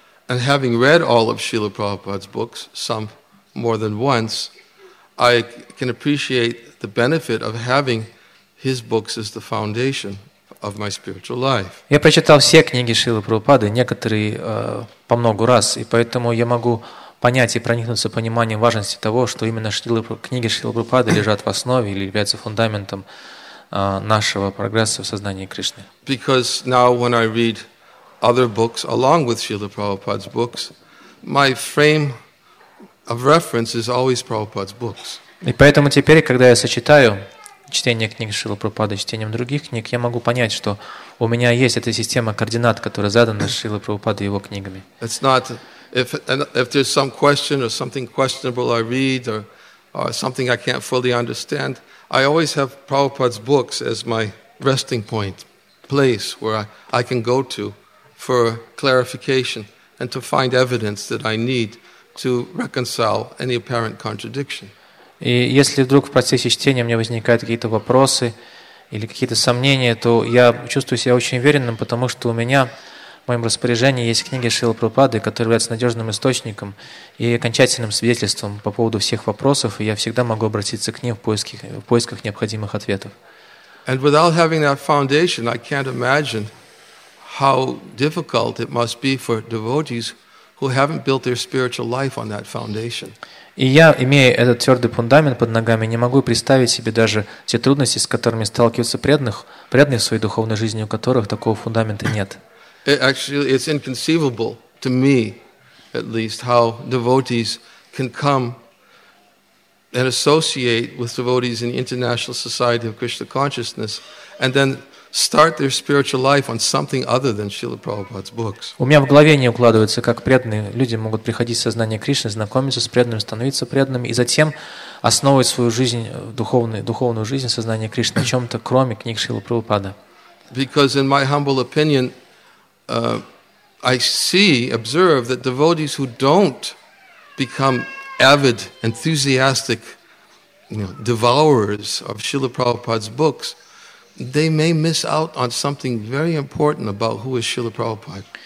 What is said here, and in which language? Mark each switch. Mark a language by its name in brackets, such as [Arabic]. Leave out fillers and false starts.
[English] And having read all of Srila Prabhupada's books, some more than once, I can appreciate the benefit of having his books as the foundation of my spiritual life. [Russian] Я прочитал все книги Шрилы Прабхупады, некоторые по много раз, и поэтому я могу понять и проникнуться пониманием важности того, что именно книги Шрилы Прабхупады лежат в основе или являются фундаментом нашего прогресса в сознании Кришны. [English] Because now when I read other books along with Srila Prabhupada's books, my frame of reference is always Prabhupada's books. [Russian] И поэтому теперь, когда я сочетаю чтение книг Шрилы Прабхупады с чтением других книг, я могу понять, что у меня есть эта система координат, которая задана Шрилой Прабхупадой и его книгами. [English] It's not if there's some question or something questionable I read or something I can't fully understand, I always have Prabhupada's books as my resting point, place where I can go to for clarification and to find evidence that I need to reconcile any apparent contradiction. [Russian] И если вдруг в процессе чтения у меня возникают какие-то вопросы или какие-то сомнения, то я чувствую себя очень уверенным, потому что у меня в моем распоряжении есть книги Шрилы Прабхупады, которые являются надежным источником и окончательным свидетельством по поводу всех вопросов, и я всегда могу обратиться к ним в поисках необходимых ответов. [English] And without having that foundation, I can't imagine how difficult it must be for devotees who haven't built their spiritual life on that foundation. [Russian] И я, имея этот твердый фундамент под ногами, не могу представить себе даже те трудности, с которыми сталкиваются преданные в своей духовной жизни, у которых такого фундамента нет. [English] Actually, it's inconceivable to me, at least, how devotees can come and associate with devotees in the International Society of Krishna Consciousness and then start their spiritual life on something other than Srila Prabhupada's books. [Russian] У меня в голове не укладывается, как преданные люди могут приходить в сознание Кришны, знакомиться с преданными, становиться преданными и затем основывать свою жизнь, духовную жизнь в сознании Кришны, о чем-то, кроме книг Шрилы Прабхупады. [English] Because in my humble opinion, I see, observe that devotees who don't become avid, enthusiastic, devourers of Srila Prabhupada's books, they may miss out on something very important about who is Srila Prabhupada.